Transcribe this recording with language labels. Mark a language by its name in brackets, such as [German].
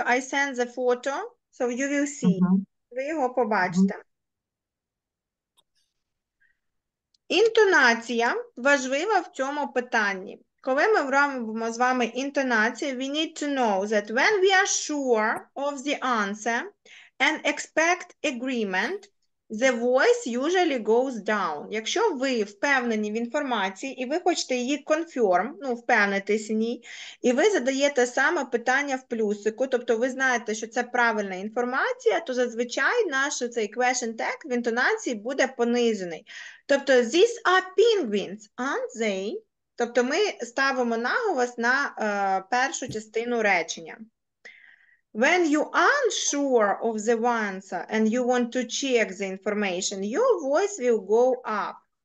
[English] I send the photo, so you will see. [Ukrainian] Ви його побачите. Інтонація важлива в цьому питанні. Коли ми робимо з вами інтонацію, [English] we need to know that when we are sure of the answer and expect agreement, the voice usually goes down. [Ukrainian] Якщо ви впевнені в інформації і ви хочете її confirm, ну, впевнитись в ній, і ви задаєте саме питання в плюсику, тобто ви знаєте, що це правильна інформація, то зазвичай наш цей question tag в інтонації буде понижений. [English] Тобто, these are penguins, aren't they? [Ukrainian] Тобто, ми ставимо наголос на першу частину речення. [English] When you aren't sure of the answer and you want to check the information, your voice will go up.